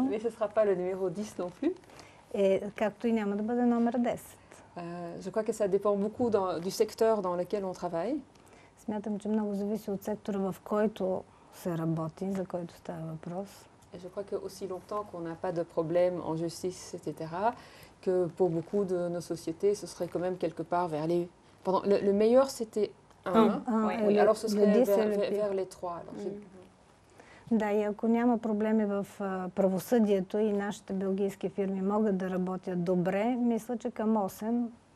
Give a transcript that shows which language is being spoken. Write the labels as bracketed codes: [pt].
[bg] Не, [fr] ce ne sera pas le numéro 10 non plus. Et [bg] както и няма да бъде номер 10. [fr] Je crois que ça dépend beaucoup du secteur dans lequel on travaille. [bg] Смятам, че много зависи от сектора, в който се работи, за който става въпрос. [fr] Et je crois que aussi longtemps qu'on n'a pas de problème en justice, etc., que pour beaucoup de nos sociétés, ce serait quand même quelque part vers les... Pardon, le meilleur, c'était 1. Oui. Alors ce serait vers les 3. [bg] Да, и ако няма проблеми в правосъдието и нашите белгийски фирми могат да работят добре, мисля, че към 8...